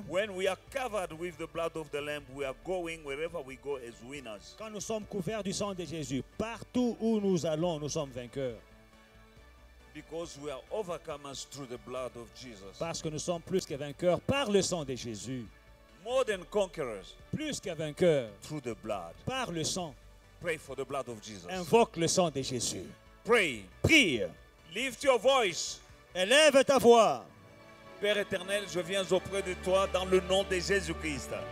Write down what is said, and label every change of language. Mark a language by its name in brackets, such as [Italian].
[English] When we are covered with the blood of the Lamb, we are going wherever we go as winners. [French] Quand nous sommes couverts du sang de Jésus, partout où nous allons, nous sommes vainqueurs. [English] Because we are overcomers through the blood of Jesus. [French] Parce que nous sommes plus que vainqueurs par le sang de Jésus. [English] More than conquerors. [French] Plus que vainqueurs. [English] Through the blood. [French] Par le sang. [English] Pray for the blood of Jesus. [French] Invoque le sang de Jésus. [English] Pray. [French] Prie. [English] Lift your voice. [French] Élève ta voix. Père éternel, je viens auprès de toi dans le nom de Jésus-Christ.